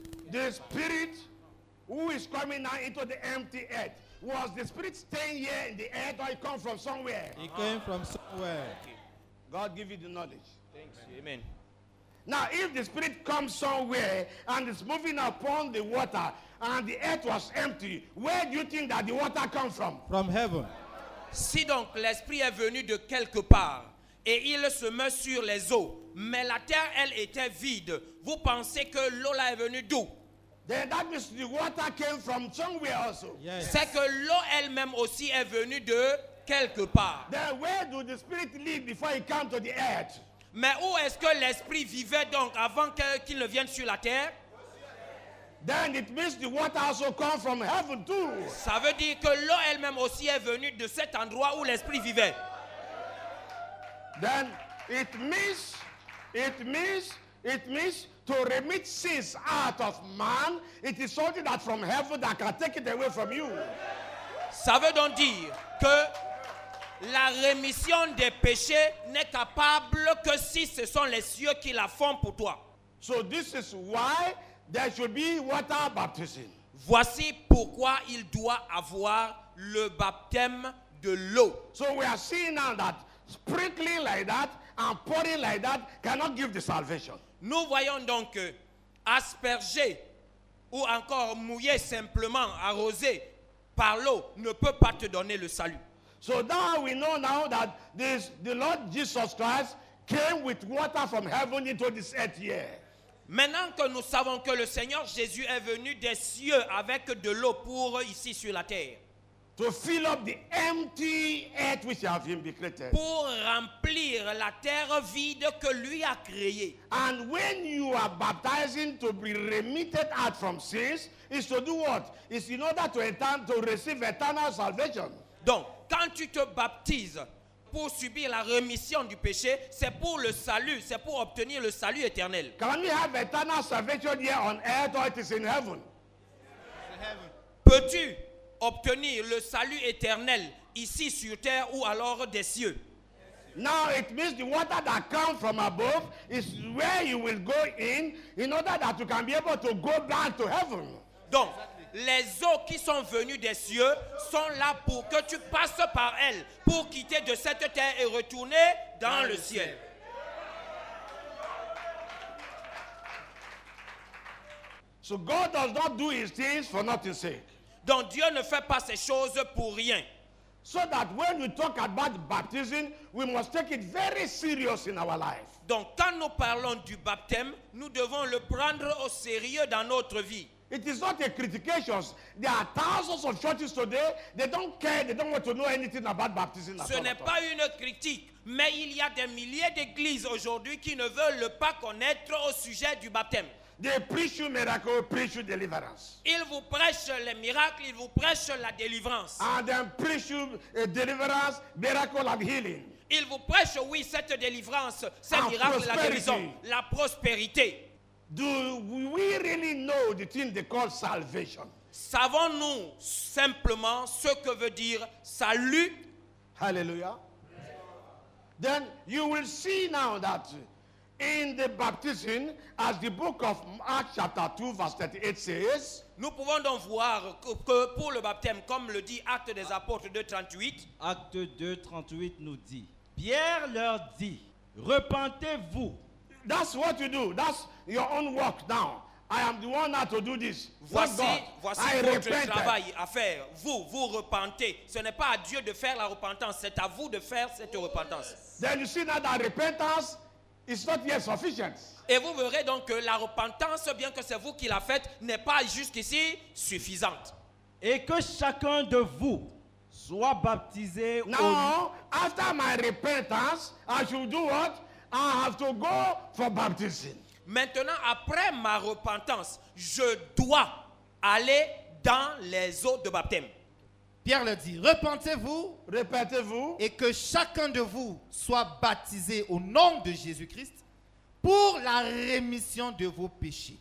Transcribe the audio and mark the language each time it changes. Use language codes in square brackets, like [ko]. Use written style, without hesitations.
[en] The spirit who is coming now into the empty earth, was the spirit staying here in the earth or it come from somewhere? He came from somewhere. Okay. God give you the knowledge. Thanks. Amen. Now, if the spirit comes somewhere and is moving upon the water and the earth was empty, where do you think that the water comes from? From heaven. [fr] Si donc l'esprit est venu de quelque part et il se meut sur les eaux, mais la terre elle était vide, vous pensez que l'eau là est venue d'où? [en] Then that means the water came from somewhere also. Yes. [fr] C'est que l'eau elle-même aussi est venue de quelque part. [en] Then where do the spirit live before he come to the earth? [fr] Mais où est-ce que l'esprit vivait donc avant qu'il ne vienne sur la terre? [en] Then it means the water also come from heaven too. [fr] Ça veut dire que l'eau elle-même aussi est venue de cet endroit où l'esprit vivait. [en] Then it means to remit sins out of man, it is something that from heaven that can take it away from you. [fr] Ça veut donc dire que la rémission des péchés n'est capable que si ce sont les cieux qui la font pour toi. [en] So this is why there should be water baptism. [fr] Voici pourquoi il doit avoir le baptême de l'eau. [en] So we are seeing now that sprinkling like that and pouring like that cannot give the salvation. [fr] Nous voyons donc que asperger ou encore mouiller simplement, arroser par l'eau ne peut pas te donner le salut. [en] So now we know now that the Lord Jesus Christ came with water from heaven into this earth here. [fr] Maintenant que nous savons que le Seigneur Jésus est venu des cieux avec de l'eau pour ici sur la terre. [en] To fill up the empty earth which have him created. [fr] Pour remplir la terre vide que lui a créée. [en] And when you are baptizing to be remitted out from sins, is to do what? It's in order to receive eternal salvation. [fr] Donc, quand tu te baptises pour subir la rémission du péché, c'est pour le salut, c'est pour obtenir le salut éternel. [en] Can we have eternal salvation here on earth or it is in heaven? [fr] Peux-tu obtenir le salut éternel ici sur terre ou alors des cieux? [en] Now it means the water that comes from above is where you will go in order that you can be able to go back to heaven. [fr] Donc, les eaux qui sont venues des cieux sont là pour que tu passes par elles pour quitter de cette terre et retourner dans le ciel. [en] So God does not do his things for nothing's sake. [fr] Donc Dieu ne fait pas ces choses pour rien. [en] So that when we talk about baptism, we must take it very serious in our life. [fr] Donc quand nous parlons du baptême, nous devons le prendre au sérieux dans notre vie. [en] It is not a critication. There are thousands of churches today. They don't care. They don't want to know anything about baptism. [fr] Ce n'est pas une critique, mais il y a des milliers d'églises aujourd'hui qui ne veulent pas connaître au sujet du baptême. [en] They preach you miracle, preach you deliverance. [fr] Ils vous prêchent les miracles, ils vous prêchent la délivrance. [en] And then preach you deliverance, miracle and healing. [fr] Ils vous prêchent, oui, cette délivrance, ces miracles, la guérison, la prospérité. [en] Do we really know the thing they call salvation? [fr] Savons-nous simplement ce que veut dire salut? [en] Hallelujah. Then you will see now that in the baptism, as the book of Acts chapter 2 verse 38 says, [fr] nous pouvons donc voir que pour le baptême, comme le dit Actes des Apôtres 2:38, Actes 2:38 nous dit, Pierre leur dit, repentez-vous. [en] That's what you do. That's your own work now. I am the one now to do this. [fr] Voici votre travail à faire. Vous repentez. Ce n'est pas à Dieu de faire la repentance. C'est à vous de faire cette repentance. [en] Then you see now that repentance is not yet sufficient. [fr] Et vous verrez donc que la repentance, bien que c'est vous qui la faites, n'est pas jusqu'ici suffisante. Et que chacun de vous soit baptisé. [en] Now, after my repentance, I should do what? I have to go for baptism. [fr] Maintenant, après ma repentance, je dois aller dans les eaux de baptême. Pierre le dit, repentez-vous. Répétez-vous. Et que chacun de vous soit baptisé au nom de Jésus-Christ pour la rémission de vos péchés.